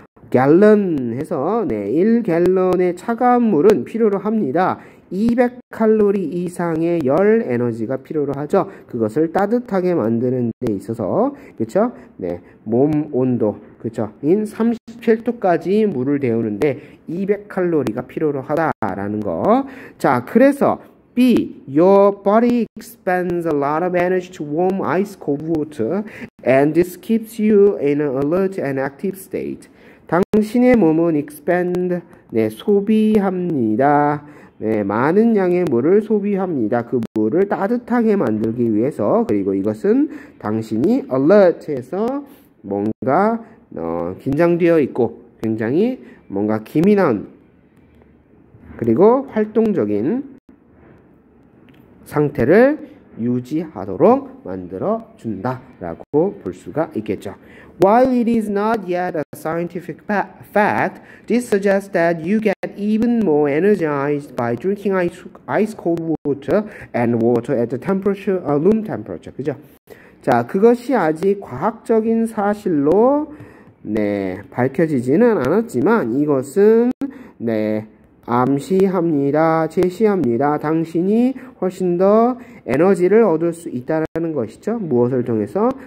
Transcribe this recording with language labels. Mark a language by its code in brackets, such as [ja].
[ko] gallon 해서 네, 1갤런의 차가운 물은 필요로 합니다. 200칼로리 이상의 열 에너지가 필요로 하죠. 그것을 따뜻하게 만드는 데 있어서, 그쵸? 네, 몸 온도, 그쵸? 인 37도까지 물을 데우는데 200칼로리가 필요로 하다라는 거. 자, 그래서 [en] B, your body expends a lot of energy to warm ice cold water, and this keeps you in an alert and active state. [ko] 당신의 몸은 expend, 네, 소비합니다. 네, 많은 양의 물을 소비합니다. 그 물을 따뜻하게 만들기 위해서, 그리고 이것은 당신이 alert해서 뭔가 긴장되어 있고 굉장히 뭔가 기민한 그리고 활동적인 상태를 유지하도록 만들어 준다라고 볼 수가 있겠죠. [en] While it is not yet a scientific fact, this suggests that you get even more energized by drinking ice cold water and water at the temperature, room temperature. [ko] 그죠? 자, 그것이 아직 과학적인 사실로 네, 밝혀지지는 않았지만 이것은 네, 암시합니다. 제시합니다. 당신이 훨씬 더 에너지를 얻을 수 있다는 것이죠. 무엇을 통해서?